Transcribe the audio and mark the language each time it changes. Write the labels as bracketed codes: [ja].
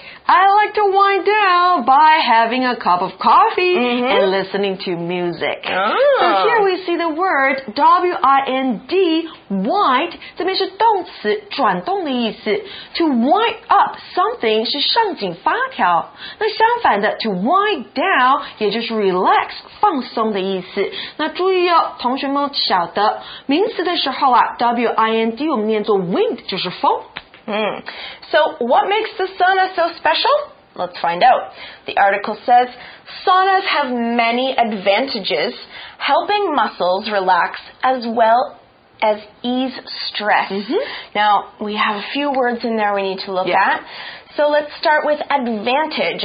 [en] I like to wind down by having a cup of coffee、 mm-hmm. and listening to music.、 Oh. So here we see the word W-I-N-D, wind, [zh] 这边是动词转动的意思。 [en] To wind up something [zh] 是上紧发条。那相反的 [en] to wind down [zh] 也就是 relax, 放松的意思。那注意哦，同学们晓得名词的时候啊 ，wind 我们念作 wind 就是风。 [en] So what makes the sauna so special? Let's find out. The article says, saunas have many advantages, helping muscles relax as well as ease stress. Mm-hmm. Now, we have a few words in there we need to look at. So let's start with advantage.